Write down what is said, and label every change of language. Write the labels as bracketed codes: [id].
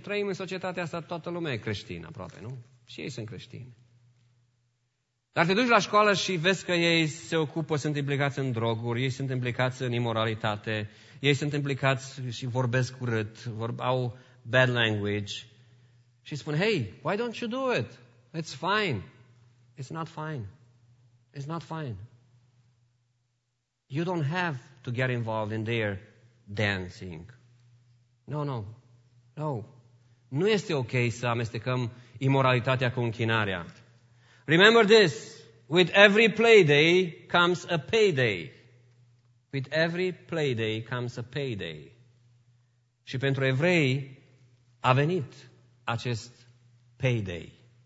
[ro] Trăim în societatea asta, toată lumea e creștină aproape, nu? Și ei sunt creștini. Dar te duci la școală și vezi că ei se ocupă, sunt implicați în droguri, ei sunt implicați în imoralitate, ei sunt implicați și vorbesc urât, au bad language. Și spun, [en] hey, why don't you do it? It's fine. It's not fine. It's not fine. You don't have to get involved in their dancing. No, no. No. [ro] Nu este ok să amestecăm imoralitatea cu închinarea. [en] Remember this. With every playday comes a payday. With every playday comes a payday. [ro] Și pentru evrei a venit acest payday.